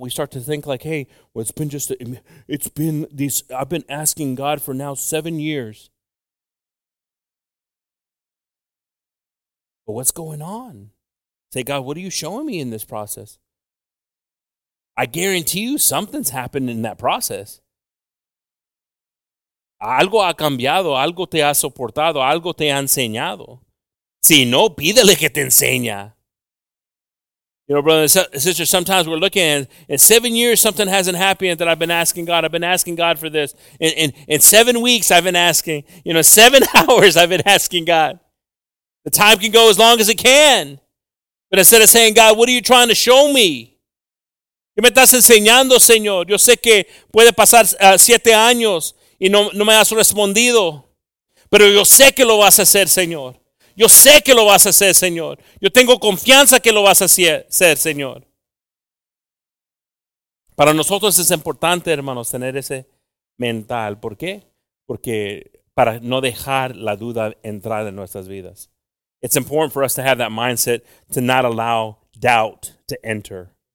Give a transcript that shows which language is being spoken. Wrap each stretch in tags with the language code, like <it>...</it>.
<en>We start to think like, hey, well, I've been asking God for now 7 years. But what's going on? Say, God, what are you showing me in this process? I guarantee you something's happened in that process.</en> <es>Algo ha cambiado, algo te ha soportado, algo te ha enseñado. Si no, pídele que te enseña.</es> <en>You know, brother and sister, sometimes we're looking and in 7 years something hasn't happened that I've been asking God. I've been asking God for this. In 7 weeks I've been asking, you know, 7 hours I've been asking God. The time can go as long as it can. But instead of saying, God, what are you trying to show me?</en> <es>¿Qué me estás enseñando, Señor? Yo sé que puede pasar 7 años y no me has respondido. Pero yo sé que lo vas a hacer, Señor. Yo sé que lo vas a hacer, Señor. Yo tengo confianza que lo vas a hacer, Señor. Para nosotros es importante, hermanos, tener ese mental. ¿Por qué? Porque para no dejar la duda entrar en nuestras vidas.</es> <en>It's important for us to have that mindset to not allow doubt to enter.</en>